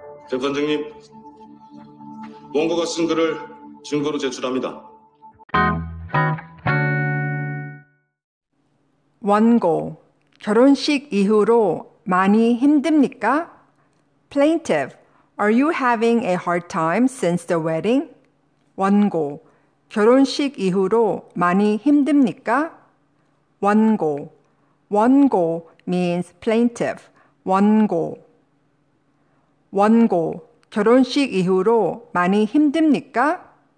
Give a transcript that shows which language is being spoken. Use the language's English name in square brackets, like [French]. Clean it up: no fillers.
[Korean] 재판장님, 원고가 쓴 글을 증거로 제출합니다. 원고, 결혼식 이후로 많이 힘듭니까? [English] Plaintiff, are you having a hard time since the wedding? [Korean] 원고, 결혼식 이후로 많이 힘듭니까? 원고. 원고 [English] means plaintiff. [Korean] 원고. 원고, 결혼식 이후로 많이 힘듭니까?